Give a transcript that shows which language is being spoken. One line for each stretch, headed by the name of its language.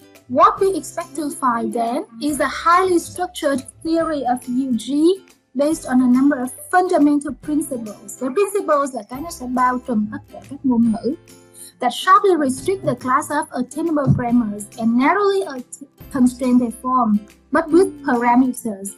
English: What we expect to find then is a highly structured theory of UG based on a number of fundamental principles. The principles
Vietnamese: là cái nó sẽ bao trùm tất cả các ngôn ngữ.
English: That sharply restrict the class of attainable grammars and narrowly constrain their form, but with parameters.